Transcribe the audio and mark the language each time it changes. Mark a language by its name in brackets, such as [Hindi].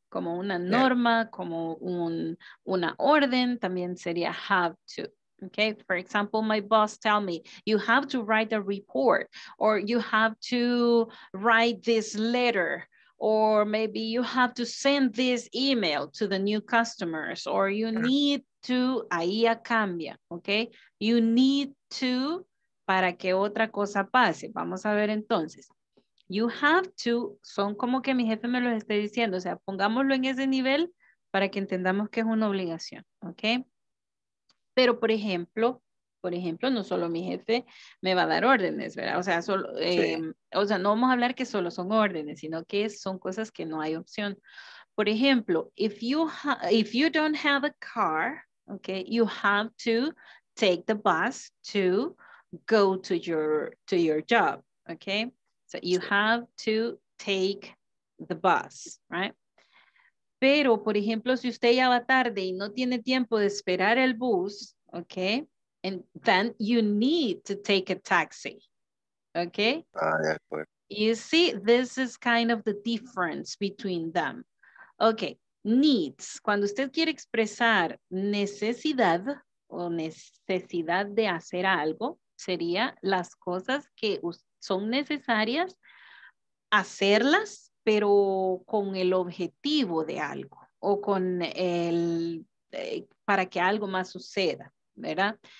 [Spanish] Como una norma, como una orden, también sería have to. [English] Okay? For example, my boss tell me, you have to write a report or you have to write this letter. Or maybe you have to send this email to the new customers, or you need to, [Spanish] ahí ya cambia, [English] okay? You need to, [Spanish] para que otra cosa pase. Vamos a ver entonces. You have to, son como que mi jefe me los esté diciendo, o sea, pongámoslo en ese nivel para que entendamos que es una obligación, okay? Pero por ejemplo, no solo mi jefe me va a dar órdenes, ¿verdad? O sea, no vamos a hablar que solo son órdenes, sino que son cosas que no hay opción. Por ejemplo, [English] if you don't have a car, okay, you have to take the bus to go to your job, okay? So you have to take the bus, right? [Spanish] Pero, por ejemplo, si usted ya va tarde y no tiene tiempo de esperar el bus, okay? [English] And then you need to take a taxi, okay? You see, this is kind of the difference between them. Okay, needs. [Spanish] Cuando usted quiere expresar necesidad o necesidad de hacer algo, sería las cosas que son necesarias hacerlas, pero con el objetivo de algo o con el para que algo más suceda. ¿Verdad?